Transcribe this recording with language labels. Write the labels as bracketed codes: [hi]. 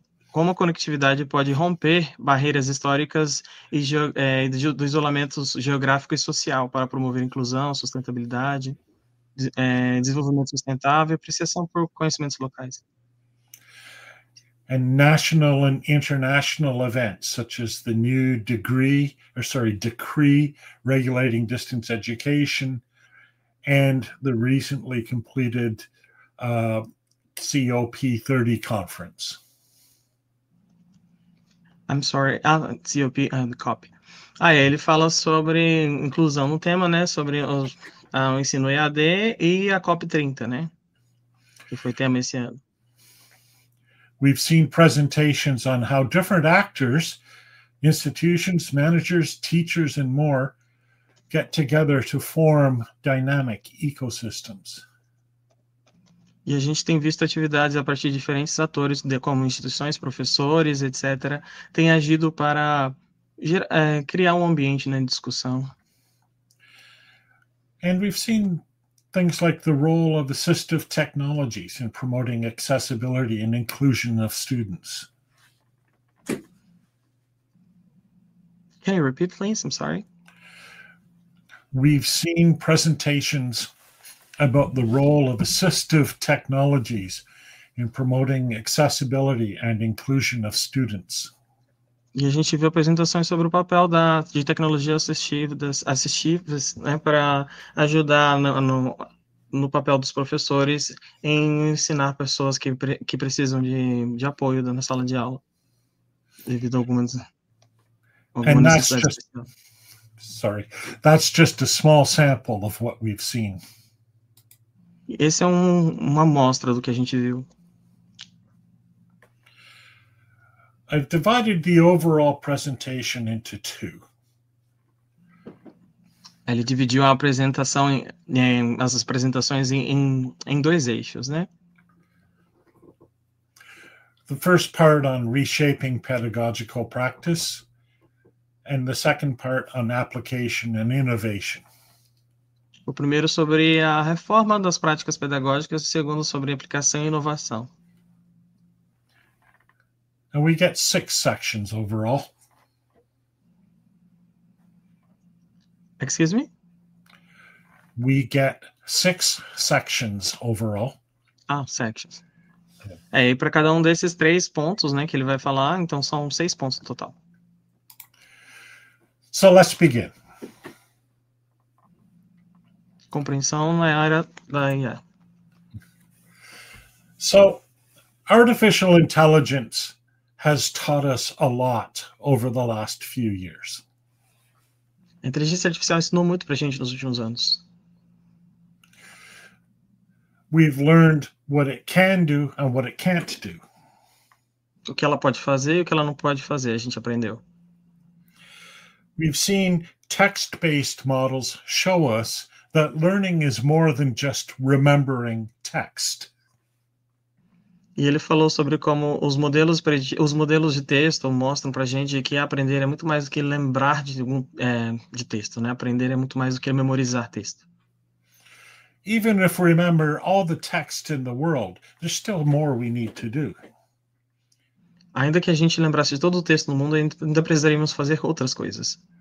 [pt] como a conectividade pode romper barreiras históricas e do isolamento geográfico e social para promover inclusão, sustentabilidade, desenvolvimento sustentável e apreciação por conhecimentos locais. [en] And national and international events, such as the new degree, or sorry, decree regulating distance education, and the recently completed COP30 conference. I'm sorry, COP and COP. [pt] Aí ele fala sobre inclusão no tema, né? Sobre o ensino EAD e a COP30, né? Que foi tema esse ano. [en] We've seen presentations on how different actors, institutions, managers, teachers, and more get together to form dynamic ecosystems. [pt] E a gente tem visto atividades a partir de diferentes atores, como instituições, professores, etc., têm agido para criar um ambiente na, né, discussão. [en] And we've seen things like the role of assistive technologies in promoting accessibility and inclusion of students. Can you repeat, please? I'm sorry. We've seen presentations about the role of assistive technologies in promoting accessibility and inclusion of students. [pt] E a gente viu apresentações sobre o papel de tecnologias assistivas, né, para ajudar no papel dos professores em ensinar pessoas que precisam de apoio na sala de aula, devido a alguma [en] And that's [pt] necessidade [en] just, [pt] especial. [en] sorry, that's just a small sample of what we've seen. [pt] Esse é uma amostra do que a gente viu. [en] I've divided the overall presentation into two. [pt] Ele dividiu a apresentação as apresentações em dois eixos, né? [en] The first part on reshaping pedagogical practice. And the second part on application and innovation. [pt] O primeiro sobre a reforma das práticas pedagógicas, o segundo sobre aplicação e inovação. [en] And we get six sections overall. Excuse me? We get six sections overall. Ah, sections. [pt] É, e para cada um desses três pontos, né, que ele vai falar, então são seis pontos no total. [en] So let's begin. [pt] Compreensão na área da IA. [en] So, artificial intelligence has taught us a lot over the last few years. [pt] Inteligência artificial ensinou muito para a gente nos últimos anos. [en] We've learned what it can do and what it can't do. [pt] O que ela pode fazer e o que ela não pode fazer, a gente aprendeu. [en] We've seen text-based models show us that learning is more than just remembering text. [pt] E ele falou sobre como os modelos de texto mostram para a gente que aprender é muito mais do que lembrar de texto, né? Aprender é muito mais do que memorizar texto. [en] Even if we remember all the text in the world, there's still more we need to do. [pt] Ainda que a gente lembrasse de todo o texto no mundo, ainda precisaríamos fazer outras coisas.